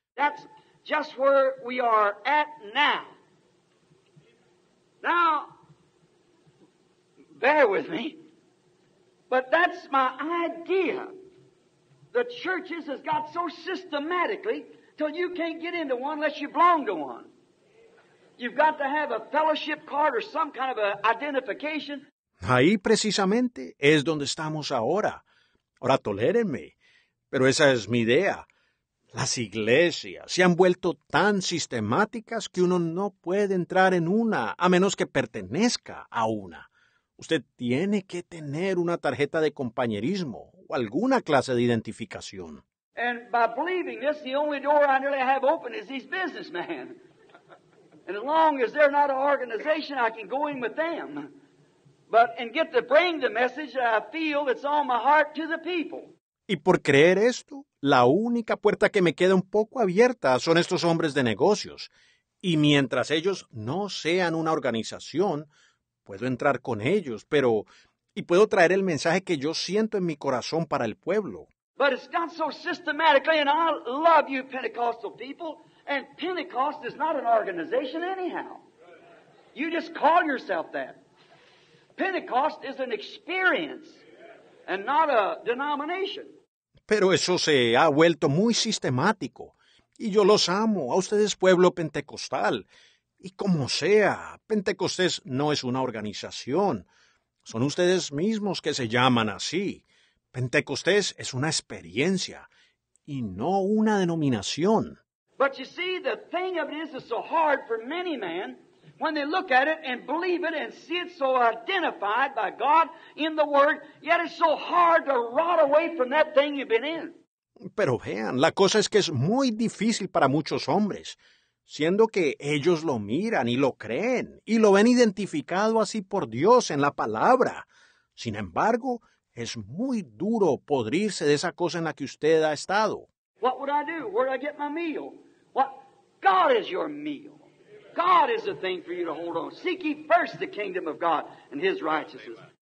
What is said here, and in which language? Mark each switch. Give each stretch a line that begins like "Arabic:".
English: That's just where we are at now. Now, bear with me, but that's my idea. The churches has got so systematically, till you can't get into one unless you belong to one. You've got to have a fellowship card or some kind of a identification.
Spanish: Ahí precisamente es donde estamos ahora. Ahora tolérenme, pero esa es mi idea. Las iglesias se han vuelto tan sistemáticas que uno no puede entrar en una a menos que pertenezca a una. Usted tiene que tener una tarjeta de compañerismo o alguna clase de identificación.
English: And by believing this, the only door I nearly have open is these businessmen. And as long as they're not an organization, I can go in with them. But and get to bring the message that I feel that's on my heart to the people.
Spanish: Y por creer esto, la única puerta que me queda un poco abierta son estos hombres de negocios. Y mientras ellos no sean una organización, puedo entrar con ellos, pero... Y puedo traer el mensaje que yo siento en mi corazón para el pueblo.
English: But it's not so systematically, and I love you Pentecostal people. And Pentecost is not an organization anyhow. You just call yourself that. Pentecost is an experience and not a denomination.
Spanish: Pero eso se ha vuelto muy sistemático. Y yo los amo. A ustedes, pueblo pentecostal. Y como sea, Pentecostés no es una organización. Son ustedes mismos que se llaman así. Pentecostés es una experiencia y no una denominación.
English: But you see, the thing of it is, it's so hard for many men when they look at it and believe it and see it so identified by God in the Word, yet it's so hard to rot away from that thing you've been in.
Spanish: Pero vean, la cosa es que es muy difícil para muchos hombres, siendo que ellos lo miran y lo creen, y lo ven identificado así por Dios en la palabra. Sin embargo, es muy duro podrirse de esa cosa en la que usted ha estado.
English: What would I do? Where would I get my meal? What? God is your meal. God is the thing for you to hold on. Seek ye first the kingdom of God and his righteousness.